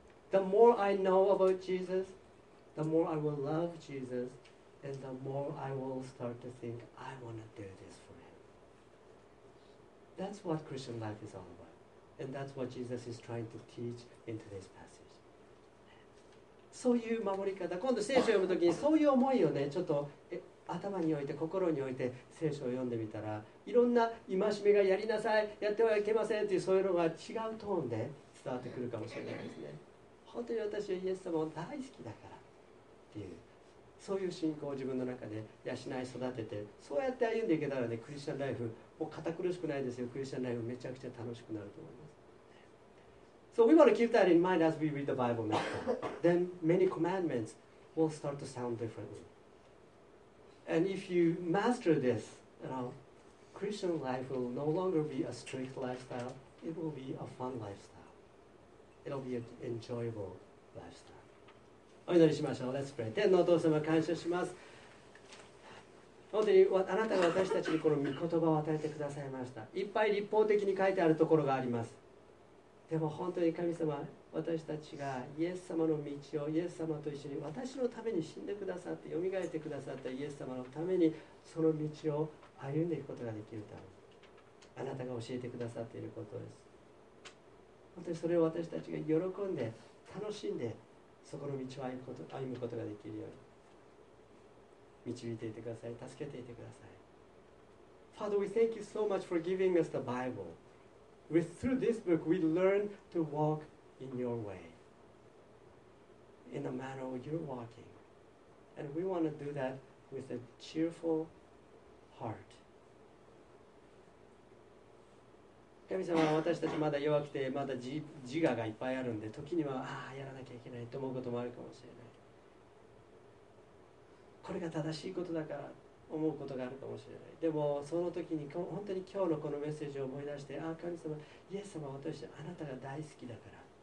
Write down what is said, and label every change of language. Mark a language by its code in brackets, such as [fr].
[en] The more I know about Jesus,The more I will love Jesus, and the more I will start to think, I want to do this for him. That's what Christian life is all about. And that's what Jesus is trying to teach in today's passage. [ja] そういう守り方、今度聖書を読むときにそういう思いをね、ちょっと頭に置いて、心に置いて聖書を読んでみたら、いろんな戒めがやりなさい、やってはいけませんっていうそういうのが違うトーンで伝わってくるかもしれないですね。本当に私はイエス様を大好きだから、っていうそういう信仰を自分の中で養い育てて、そうやって歩んでいけたらね、クリスチャンライフもう堅苦しくないですよ。クリスチャンライフめちゃくちゃ楽しくなると思います。 [en] So we want to keep that in mind as we read the Bible now. Then many commandments will start to sound differently. And if you master this, you know, Christian life will no longer be a strict lifestyle. It will be a fun lifestyle. It will be an enjoyable lifestyle. [ja] お祈りしましょう。 [en] Let's pray. [ja] 天のお父様、感謝します。本当にあなたが私たちにこの御言葉を与えてくださいました。いっぱい立法的に書いてあるところがあります。でも本当に神様、私たちがイエス様の道をイエス様と一緒に、私のために死んでくださって、よみがえってくださったイエス様のためにその道を歩んでいくことができるため、あなたが教えてくださっていることです。本当にそれを私たちが喜んで、楽しんで、そこの道を歩むことができるように導いていてください。助けていてください。 [en] Father, we thank you so much for giving us the Bible. With, through this book, we learn to walk in your way, in the manner you're walking. And we want to do that with a cheerful heart. [ja] 神様は私たちまだ弱くて、まだ自我がいっぱいあるんで、時にはああやらなきゃいけないと思うこともあるかもしれない、これが正しいことだから思うことがあるかもしれない。でもその時に本当に今日のこのメッセージを思い出して、ああ神様、イエス様、私あなたが大好きだから、